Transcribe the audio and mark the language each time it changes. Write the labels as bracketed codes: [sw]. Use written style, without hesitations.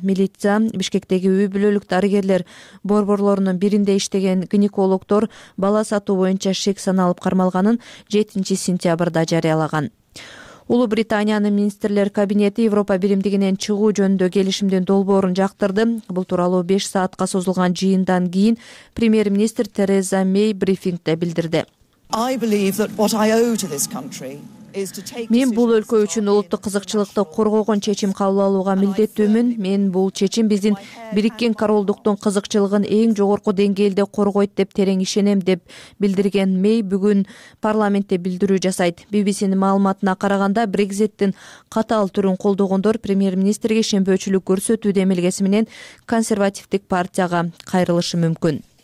[ky] Милиция, Бишкектеги үй бүлөлүк дарыгерлер борборлорунун биринде иштеген гинекологдор бала сатуу боюнча шек саналып кармалганын 7 сентябрда жарыялаган. Улуу Британиянын министрлер кабинети Европа биримдигинен чыгуу жөнүндө келишимдин долбоорун жактырды. Бул тууралуу 5 саатка созулган жыйындан кийин премьер-министр Тереза Мэй брифингде билдирди. [en] I believe that what I owe to this country is to take [ky] Мен бул өлкө үчүн улуттук кызыкчылыкты коргогон чечим кабыл алууга милдеттүүмүн. Мен бул чечим биздин Бириккен Королдуктун кызыкчылыгын эң жогорку деңгээлде коргойт деп терең ишенем деп билдирген Мэй бүгүн парламентте билдирүү жасайт. BBC'нин маалыматына караганда Brexit'тин катаал түрүн колдогондор премьер-министрге ишенбөөчүлүк көрсөтүү демилгеси менен консервативдик партияга кайрылышы мүмкүн.